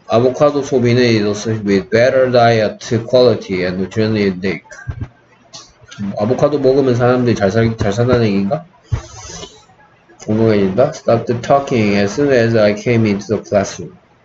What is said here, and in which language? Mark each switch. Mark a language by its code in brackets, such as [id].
[en] Avocado [ko] 소비는 [en] is associated with better diet quality and nutrient intake. [ko] 아보카도 먹으면 사람들이 잘 산다는 얘기인가? 공부해진다? [en] Stopped talking as soon as I came into the classroom.